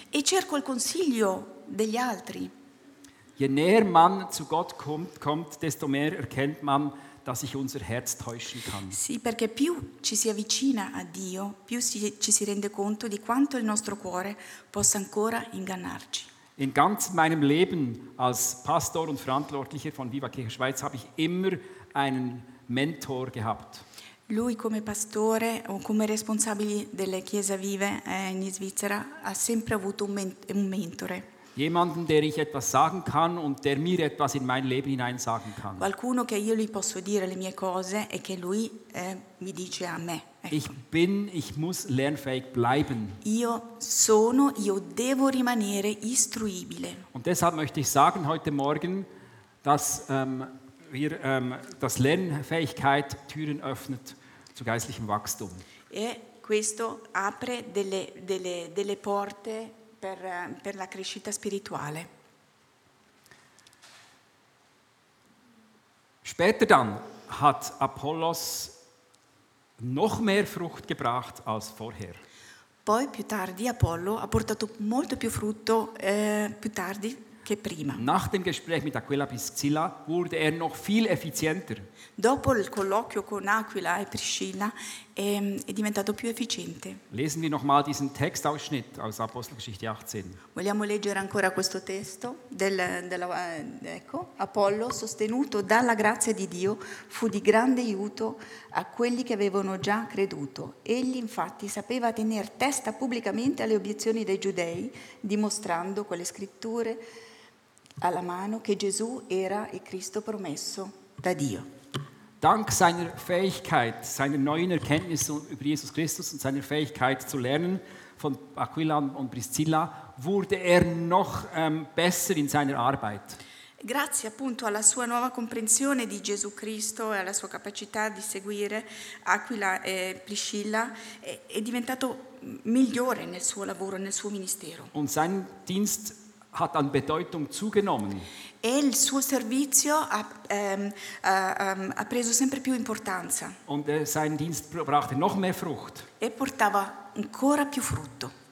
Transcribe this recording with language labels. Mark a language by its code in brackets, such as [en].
[it] E cerco il consiglio degli altri. [de] Je näher man zu Gott kommt, desto mehr erkennt man, dass sich unser Herz täuschen kann. [it] Sì, perché più ci si avvicina a Dio, più ci si rende conto di quanto il nostro cuore possa ancora ingannarci. [de] In ganz meinem Leben als Pastor und Verantwortlicher von Viva Kirche Schweiz habe ich immer einen Mentor gehabt. [it] Lui come pastore o come responsabile delle chiese vive in Svizzera ha sempre avuto un mentore. [de] Jemanden, der ich etwas sagen kann und der mir etwas in mein Leben hinein sagen kann. [it] Qualcuno che io gli posso dire le mie cose e che lui mi dice a me. Ecco. [de] Ich muss lernfähig bleiben. [it] Io devo rimanere istruibile. [de] Und deshalb möchte ich sagen heute Morgen, dass dass Lernfähigkeit Türen öffnet zu geistlichem Wachstum. [it] E questo apre delle porte per la crescita spirituale. [de] Später dann hat Apollos noch mehr Frucht gebracht als vorher. [it] Poi più tardi Apollo ha portato molto più frutto più tardi che prima. [de] Nach dem Gespräch mit Aquila Priscilla wurde er noch viel effizienter. [it] Dopo il colloquio con Aquila e Priscilla è diventato più efficiente. [de] Lesen wir nochmal diesen Textausschnitt aus Apostelgeschichte 18. [it] Vogliamo leggere ancora questo testo ecco, Apollo, sostenuto dalla grazia di Dio, fu di grande aiuto a quelli che avevano già creduto. Egli infatti sapeva tenere testa pubblicamente alle obiezioni dei giudei, dimostrando con le scritture alla mano che Gesù era il Cristo promesso da Dio. [de] Dank seiner Fähigkeit, seiner neuen Erkenntnisse über Jesus Christus und seiner Fähigkeit zu lernen von Aquila und Priscilla, wurde er noch besser in seiner Arbeit. [it] Grazie appunto alla sua nuova comprensione di Gesù Cristo e alla sua capacità di seguire Aquila e Priscilla, è diventato migliore nel suo lavoro, nel suo ministero. [de] Und sein Dienst hat an Bedeutung zugenommen. [it] E il suo servizio ha preso sempre più importanza. [de] Und sein Dienst brachte noch mehr Frucht. [it] E portava ancora più frutto.